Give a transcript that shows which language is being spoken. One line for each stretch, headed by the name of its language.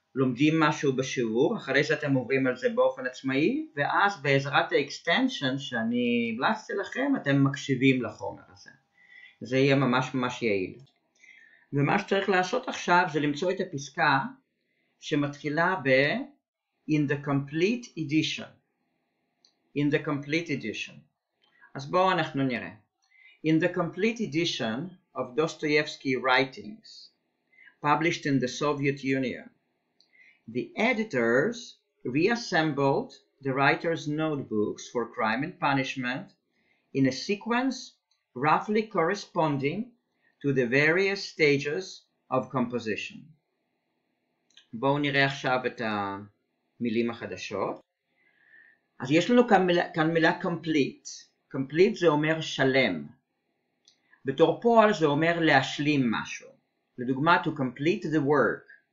Hebrew: לומדים משהו בשיעור, אחרי זה אתם עוברים על זה באופן עצמאי, ואז בעזרת האקסטנשן שאני בלסתי לכם, אתם מקשיבים לחומר הזה. זה יהיה ממש ממש יעיל. ומה שצריך לעשות עכשיו זה למצוא את הפסקה שמתחילה ב-
English: In the complete edition. In the complete edition.
Hebrew: אז בואו אנחנו נראה.
English: In the complete edition of Dostoevsky writings, published in the Soviet Union, the editors reassembled the writer's notebooks for Crime and Punishment in a sequence roughly corresponding to the various stages of composition.
Hebrew: בואו נראה עכשיו את המילים החדשות. אז יש לנו כאן מילה complete. Complete זה אומר שלם. בתור פועל זה אומר להשלים משהו. לדוגמה,
English: to complete the work.